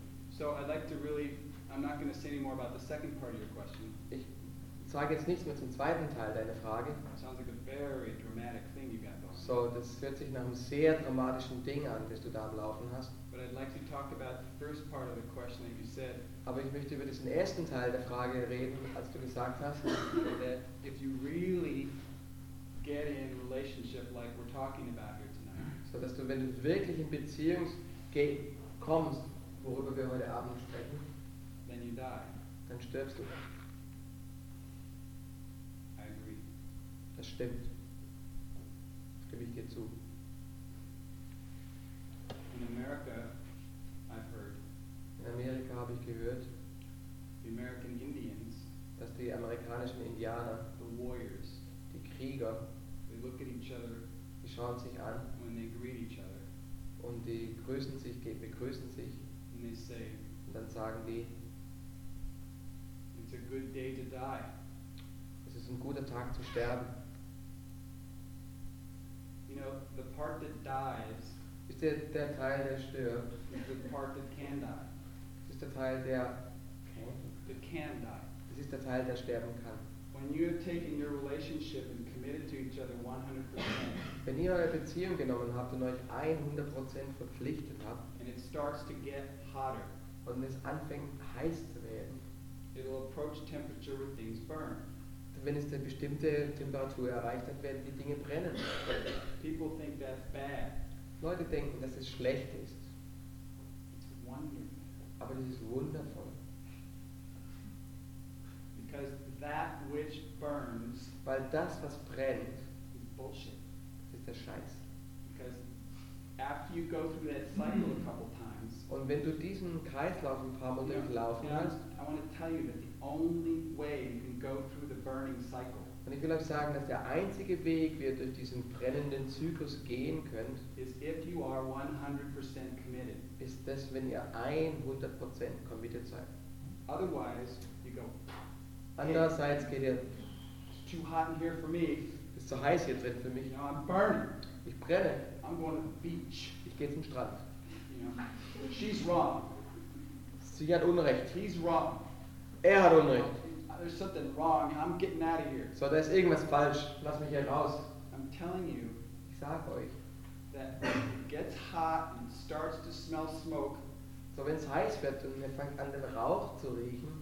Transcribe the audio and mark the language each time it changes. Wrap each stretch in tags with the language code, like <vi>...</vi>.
<en>So I'd like to really, I'm not going to say any more about the second part of your question.</en> <de>Ich sage jetzt nichts mehr zum zweiten Teil deiner Frage.</de> <en>Sounds like a very dramatic thing you got going.</en> <de>So das hört sich nach einem sehr dramatischen Ding an, das du da am Laufen hast.</de> <en>But I'd like to talk about the first part of the question that you said.</en> <de>Aber ich möchte über diesen ersten Teil der Frage reden, als du gesagt hast,</de> <en>that if you really get in a relationship like we're talking about here,</en> <de>so dass du, wenn du wirklich in Beziehung kommst, worüber wir heute Abend sprechen,</de> <en>then you die.</en> <de>Dann stirbst du.</de> <en>I agree.</en> <de>Das stimmt. Das gebe ich dir zu.</de> <en>In America, I've heard,</en> <de>in Amerika habe ich gehört,</de> <en>the American Indians,</en> <de>dass die amerikanischen Indianer,</de> <en>the warriors,</en> <de>die Krieger,</de> <en>they look at each other,</en> <de>die schauen sich an</de> <en>when they greet each other.</en> <de>Und die grüßen sich, begrüßen sich.</de> <en>And they say,</en> <de>und dann sagen die,</de> <en>it's a good day to die.</en> <de>Es ist ein guter Tag zu sterben.</de> <en>You know, the part that dies,</en> <de>ist der Teil, der stirbt,</de> <en>is the part that can die.</en> <de>Es ist der Teil, der</de> <en>that can die.</en> <de>Es ist der Teil, der sterben kann.</de> <en>When you have taken your relationship and committed to each other 100%,</en> <de>wenn ihr eure Beziehung genommen habt und euch 100% verpflichtet habt,</de> <en>and it starts to get hotter,</en> <de>und es anfängt heiß zu werden,</de> <en>it will approach temperature where things burn.</en> <de>Wenn es eine bestimmte Temperatur erreicht hat, werden die Dinge brennen.</de> <en>People think that's bad.</en> <de>Leute denken, dass es schlecht ist.</de> <en>It's wonderful.</en> <de>Aber das ist wundervoll.</de> <en>Because that which burns,</en> <de>weil das, was brennt,</de> <en>is bullshit.</en> <de>Der Scheiß.</de> <en>Because after you go through that cycle a couple times,</en> <de>und wenn du diesen Kreislauf ein paar Mal durchlaufen hast,</de> <en>I want to tell you that the only way you can go through the burning cycle,</en> <de>und ich will euch sagen, dass der einzige Weg, wie ihr durch diesen brennenden Zyklus gehen könnt,</de> <en>is if you are 100% committed.</en> <de>Ist das, wenn ihr 100% committed seid.</de> <en>Otherwise, you go.</en> <de>Andererseits geht ihr.</de> <en>It's too hot in here for me.</en> <de>Es ist zu heiß hier drin für mich.</de> <en>You know, I'm burning.</en> <de>Ich brenne.</de> <en>I'm going to the beach.</en> <de>Ich gehe zum Strand.</de> <en>You know, she's wrong.</en> <de>Sie hat Unrecht.</de> <en>He's wrong.</en> <de>Er hat Unrecht.</de> <en>There's something wrong. I'm getting out of here.</en> <de>So, da ist irgendwas falsch. Lass mich hier raus.</de> <en>I'm telling you,</en> <de>ich sage euch,</de> <en>that when it gets hot and starts to smell smoke,</en> <de>so, wenn es heiß wird und er fängt an, den Rauch zu riechen,</de>